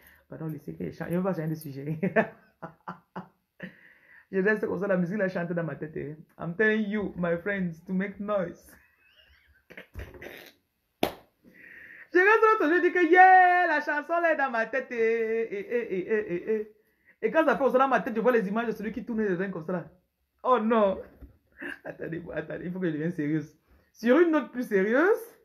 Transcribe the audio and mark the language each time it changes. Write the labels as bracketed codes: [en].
[fr] Pardon, laissez que les chants. Il n'y a pas changer de sujet. Je reste comme ça, la musique la chante dans ma tête. [en] I'm telling you, my friends, to make noise. [fr] Je reste l'autre, je dis que yeah, la chanson là est dans ma tête. Et quand ça fait dans ma tête, je vois les images de celui qui tourne les reins comme ça. Oh non. Attendez, il faut que je devienne sérieuse. Sur une note plus sérieuse.